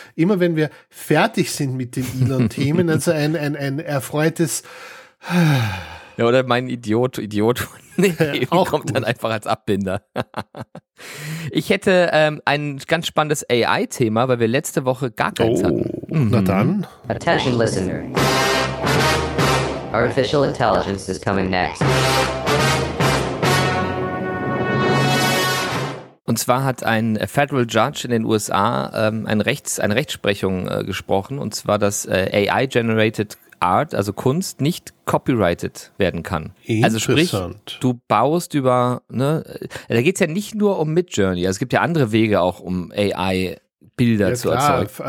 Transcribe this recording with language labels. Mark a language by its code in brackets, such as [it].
[de] Immer wenn wir fertig sind mit den Elon-Themen, also ein erfreutes. Ja, oder mein Idiot. Nee, ja, kommt gut. Dann einfach als Abbinder. Ich hätte ein ganz spannendes AI-Thema, weil wir letzte Woche gar keins hatten. Na dann. [en] Attention, listener. Artificial intelligence is coming next. [de] Und zwar hat ein Federal Judge in den USA eine Rechtsprechung gesprochen, und zwar, dass AI-generated Art, also Kunst, nicht copyrighted werden kann. Also sprich, du baust über, da geht es ja nicht nur um Midjourney, also es gibt ja andere Wege auch, um AI-Bilder zu erzeugen.